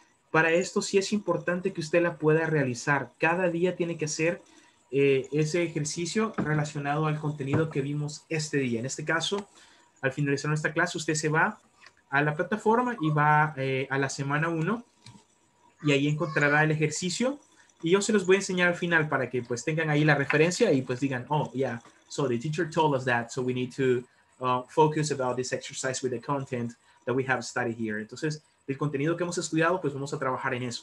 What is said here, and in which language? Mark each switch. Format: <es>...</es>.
<es>Para esto sí es importante que usted la pueda realizar. Cada día tiene que hacer ese ejercicio relacionado al contenido que vimos este día. En este caso, al finalizar nuestra clase, usted se va a la plataforma y va a la semana 1 y ahí encontrará el ejercicio. Y yo se los voy a enseñar al final para que pues tengan ahí la referencia y pues digan, oh, yeah.</es> <en>So the teacher told us that, so we need to focus about this exercise with the content that we have studied here. Entonces,</en> <es>del contenido que hemos estudiado, pues vamos a trabajar en eso.</es>